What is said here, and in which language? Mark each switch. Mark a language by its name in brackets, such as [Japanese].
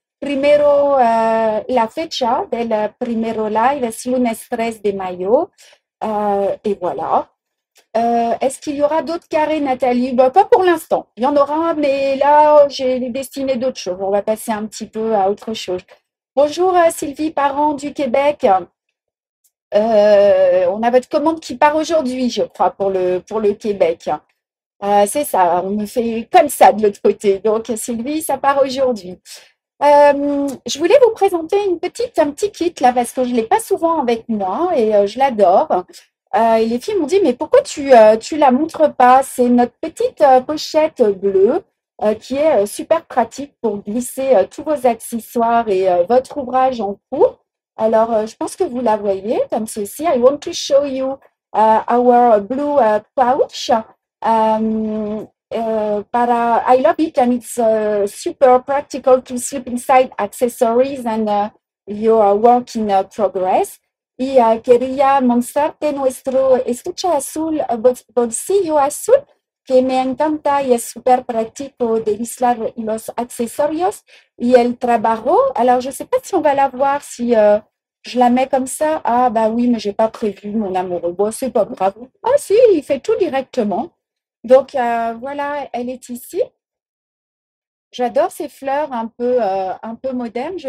[Spanish] Primero, la fecha del primero live es lunes 13 de mayo. [French] Et voilà. Est-ce qu'il y aura d'autres carrés, Nathalie? Ben, pas pour l'instant. Il y en aura, mais là, j'ai destiné d'autres choses. On va passer un petit peu à autre chose. Bonjour Sylvie, parent du Québec. On a votre commande qui part aujourd'hui, je crois, pour le Québec. C'est ça, on me fait comme ça de l'autre côté. Donc, Sylvie, ça part aujourd'hui. Je voulais vous présenter un petit kit là, parce que je ne l'ai pas souvent avec moi et je l'adore. Et les filles m'ont dit, mais pourquoi tu la montres pas? C'est notre petite pochette bleue qui est super pratique pour glisser tous vos accessoires et votre ouvrage en cours. Alors, je pense que vous la voyez comme ceci. [English] I want to show you our blue pouch. I love it and it's super practical to slip inside accessories and your work in progress. [Spanish] Y quería mostrarte nuestro estuche azul, bolsillo azul, que me encanta y es super práctico de aislar los accesorios y el trabajo. [French] Alors, je ne sais pas si on va la voir, si je la mets comme ça. Ah, bah oui, mais je n'ai pas prévu, mon amoureux. Bon, c'est pas grave. Ah, si, il fait tout directement. Donc, voilà, elle est ici. J'adore ces fleurs un peu modernes.